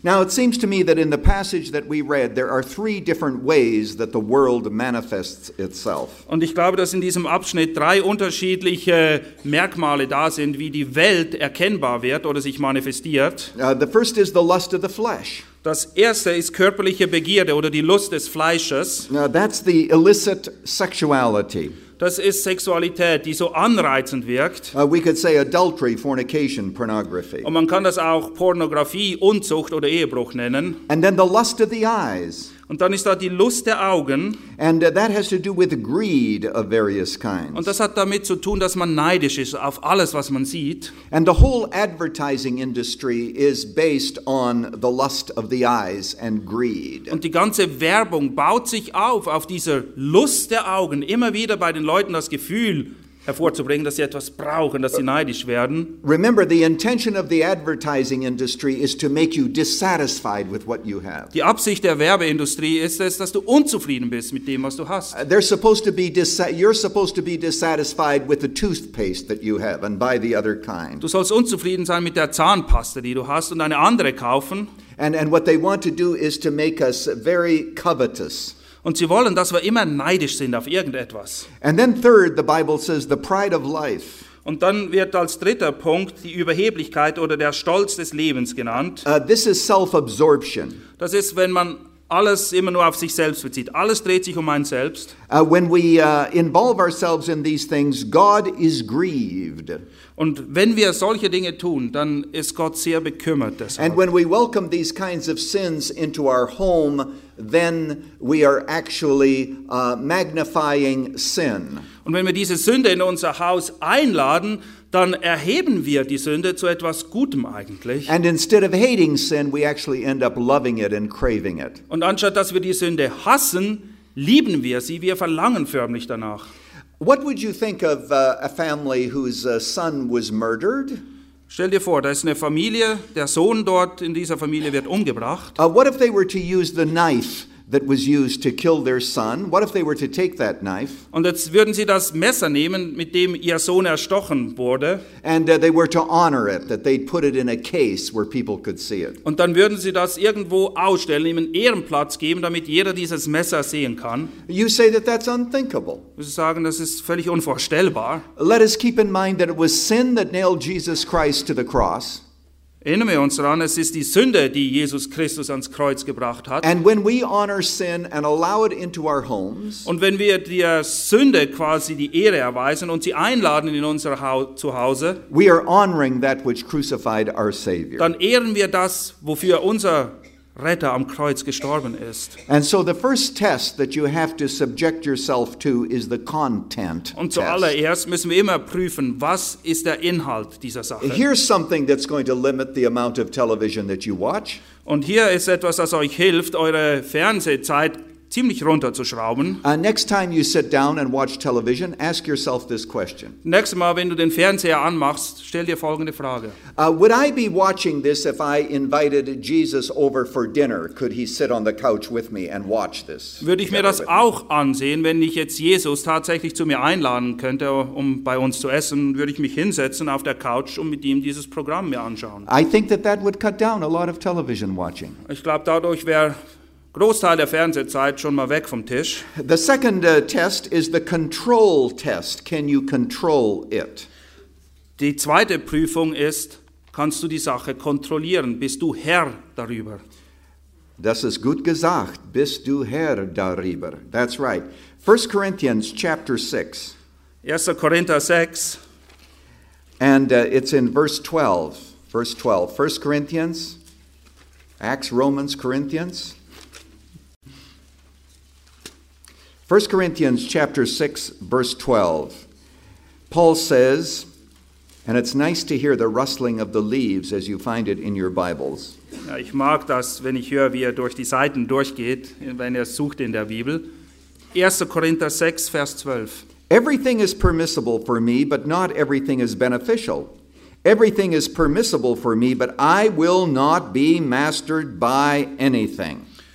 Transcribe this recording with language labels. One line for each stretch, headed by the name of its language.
English: Now, it seems to me that in the passage that we read, there are three different ways that the world manifests itself.
German: Und ich glaube, dass in diesem Abschnitt drei unterschiedliche Merkmale da sind, wie die Welt erkennbar wird oder sich manifestiert.
English: The first is the lust of the flesh.
German: Das erste ist körperliche Begierde oder die Lust des Fleisches.
English: Now that's the illicit sexuality.
German: Das ist Sexualität, die so anreizend wirkt.
English: We could say adultery, fornication, pornography.
German: Und man kann das auch Pornografie, Unzucht oder Ehebruch nennen.
English: And then the lust of the eyes.
German: Und dann ist da die Lust der Augen.
English: And that has to do with greed of various kinds.
German: Und das hat damit zu tun, dass man neidisch ist auf alles, was man sieht.
English: And the whole advertising industry is based on the lust of the eyes and greed.
German: Und die ganze Werbung baut sich auf dieser Lust der Augen, immer wieder bei den Leuten das Gefühl hervorzubringen, dass sie etwas brauchen, dass sie neidisch werden.
English: Remember, the intention of the advertising industry is to make you dissatisfied with what you have.
German: Die Absicht der Werbeindustrie ist es, dass du unzufrieden bist mit dem, was du hast.
English: They're supposed to be you're supposed to be dissatisfied with the toothpaste that you have and buy the other kind.
German: Du sollst unzufrieden sein mit der Zahnpasta, die du hast, und eine andere kaufen.
English: And what they want to do is to make us very covetous.
German: Und sie wollen, dass wir immer neidisch sind auf irgendetwas.
English: And then third, the Bible says the pride of life.
German: Und dann wird als dritter Punkt die Überheblichkeit oder der Stolz des Lebens genannt.
English: This is self-absorption.
German: Das ist, wenn man alles immer nur auf sich selbst bezieht. Alles dreht sich um einen selbst.
English: When we involve ourselves in these things, God is grieved.
German: Und wenn wir solche Dinge tun, dann ist Gott sehr bekümmert deshalb.
English: And when we welcome these kinds of sins into our home, then we are actually magnifying sin.
German: Und wenn wir diese Sünde in unser Haus einladen, dann erheben wir die Sünde zu etwas Gutem eigentlich.
English: And instead of hating sin, we actually end up loving it and craving it.
German: Und anstatt dass wir die Sünde hassen, lieben wir sie, wir verlangen förmlich danach.
English: What would you think of a family whose son was murdered?
German: Stell dir vor, da ist eine Familie, der Sohn dort in dieser Familie wird umgebracht.
English: What if they were to use the knife that was used to kill their son? What if they were to take that knife?
German: Und jetzt würden sie das Messer nehmen, mit dem ihr Sohn erstochen wurde.
English: And they were to honor it, that they'd put it in a case where people could see it.
German: Und dann würden sie das irgendwo ausstellen, ihm einen Ehrenplatz geben, damit jeder dieses Messer sehen kann.
English: You say that that's unthinkable.
German: Sie sagen, das ist völlig unvorstellbar.
English: Let us keep in mind that it was sin that nailed Jesus Christ to the cross.
German: Erinnern wir uns daran, es ist die Sünde, die Jesus Christus ans Kreuz gebracht hat.
English: And when we honor sin and allow it into our homes,
German: und wenn wir der Sünde quasi die Ehre erweisen und sie einladen in unser Zuhause,
English: we are honoring that which crucified our Savior.
German: Dann ehren wir das, wofür unser Retter am Kreuz gestorben ist.
English: And so the first test that you have to subject yourself to is the content test.
German: Und zuallererst müssen wir immer prüfen, was ist der Inhalt dieser Sache.
English: Here's something that's going to limit the amount of television that you watch.
German: Und hier ist etwas, das euch hilft, eure Fernsehzeit ziemlich runterzuschrauben.
English: Next time you sit down and watch television, ask yourself this question.
German: Nächstes Mal, wenn du den Fernseher anmachst, stell dir folgende Frage.
English: Would I be watching this if I invited Jesus over for dinner? Could he sit on the couch with me and watch this?
German: Würde ich mir das auch ansehen, wenn ich jetzt Jesus tatsächlich zu mir einladen könnte, um bei uns zu essen, würde ich mich hinsetzen auf der Couch und mit ihm dieses Programm mir anschauen.
English: I think that would cut down a lot of television watching.
German: Ich glaube, dadurch wäre Großteil der Fernsehzeit schon mal weg vom Tisch.
English: The second test is the control test. Can you control it?
German: Die zweite Prüfung ist, kannst du die Sache kontrollieren? Bist du Herr darüber? Das ist gut gesagt. Bist du Herr darüber?
English: That's right. 1 Corinthians chapter 6.
German: 1. Korinther 6.
English: And it's in verse 12. Verse 12. 1 Corinthians. Acts, Romans, Corinthians. 1 Corinthians chapter 6, verse 12. Paul says, and it's nice to hear the rustling of the leaves as you find it in your Bibles.
German: Ja, ich mag das, wenn ich höre, wie er durch die Seiten durchgeht, wenn er sucht in der Bibel. 1. Korinther 6, Vers 12.
English: Everything is permissible for me, but not everything is beneficial. Everything is permissible for me, but I will not be mastered by anything.